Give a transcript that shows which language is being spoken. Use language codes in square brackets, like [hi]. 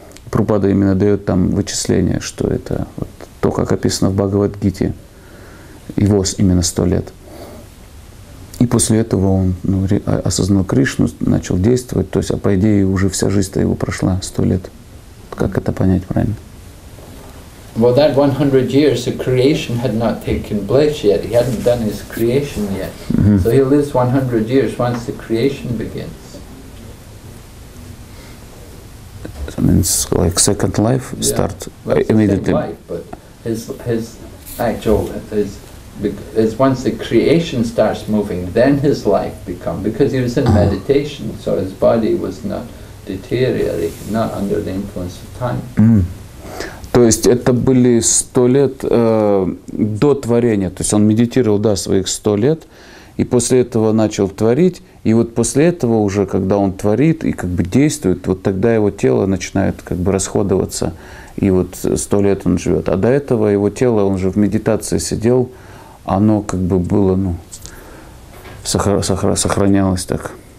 [ru] Прабхупада именно дает там вычисление, что это вот то, как описано в Бхагавад-гите, его именно 100 лет. И после этого он осознал Кришну, начал действовать. То есть, по идее, уже вся жизнь-то его прошла 100 лет. Как это понять правильно? [en] Well, that 100 years of creation had not taken place yet. He hadn't done his creation yet. Mm-hmm. So he lives 100 years once the creation begins. That means like second life starts immediately. Second life, but his once the creation starts moving, then his life becomes, because he was in meditation, so his body was not deteriorated, not under the influence of time. Mm. [ru] То есть это были 100 лет до творения. То есть он медитировал, да, своих 100 лет, и после этого начал творить. И вот после этого уже, когда он творит и как бы действует, вот тогда его тело начинает как бы расходоваться. И вот 100 лет он живет. А до этого его тело, он же в медитации сидел, оно как бы было, ну, сохранялось так.